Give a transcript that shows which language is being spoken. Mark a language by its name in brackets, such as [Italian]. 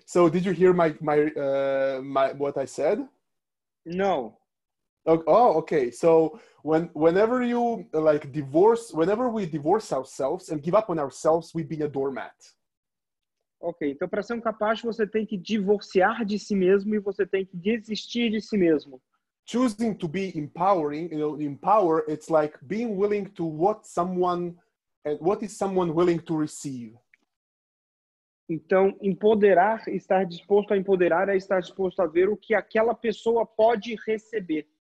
[English] So did you hear my what I said? No. Oh, okay. So whenever you like divorce, whenever we divorce ourselves and give up on ourselves, we being a doormat. Okay. [Portuguese] Então, para ser um capacho, você tem que divorciar de si mesmo e você tem que desistir de si mesmo. [English] Choosing to be empowering, you know, empower, it's like being willing to what is someone willing to receive. [Portuguese] Então, empoderar, estar disposto a empoderar é estar disposto a ver o que aquela pessoa pode receber.